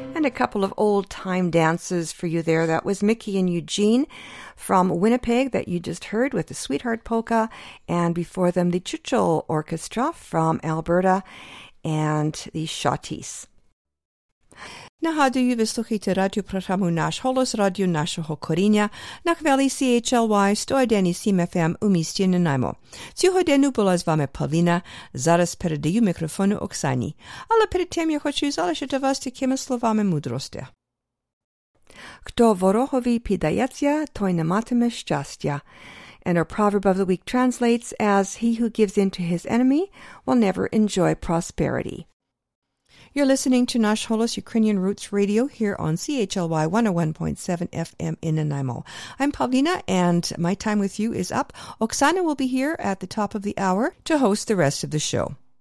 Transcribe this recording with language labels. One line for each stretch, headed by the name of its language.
English: couple of old-time dances for you there. That was Mickey and Eugene from Winnipeg that you just heard with the Sweetheart Polka, and before them the Chuchul Orchestra from Alberta and the Shawtees.
Ukrainian: Нагадую, ви слухаєте радіопрограму «Наш голос» радіо нашого коріння на хвилі CHLY 101.7 FM у місті Нанаймо. Цю годину була з вами Павліна. Зараз передаю мікрофону Оксані. Але перед тим я хочу залишити вас такими словами мудрості. Хто ворогові піддається, той не матиме щастя.
English: And our proverb of the week translates as, he who gives in to his enemy will never enjoy prosperity. You're listening to Nash Holos Ukrainian Roots Radio here on CHLY 101.7 FM in Nanaimo. I'm Pavlina, and my time with you is up. Oksana will be here at the top of the hour to host the rest of the show.